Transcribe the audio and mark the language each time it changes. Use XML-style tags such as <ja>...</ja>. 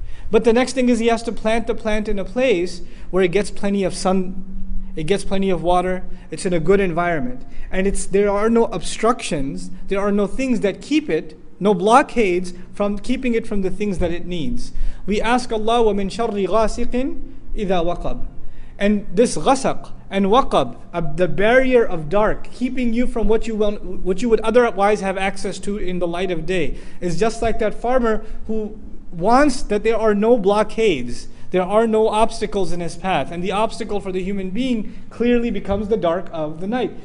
<en>But the next thing is he has to plant the plant in a place where it gets plenty of sun, it gets plenty of water, it's in a good environment. And there are no obstructions, there are no things that keep it, no blockades from keeping it from the things that it needs. We ask Allah,</en> <ar>وَمِن شَرِّ غَاسِقٍ إِذَا وَقَبٍ.</ar> <en>And this ghasaq and waqab, the barrier of dark, keeping you from what you would otherwise have access to in the light of day, is just like that farmer who wants that there are no blockades, there are no obstacles in his path. And the obstacle for the human being clearly becomes the dark of the night.</en>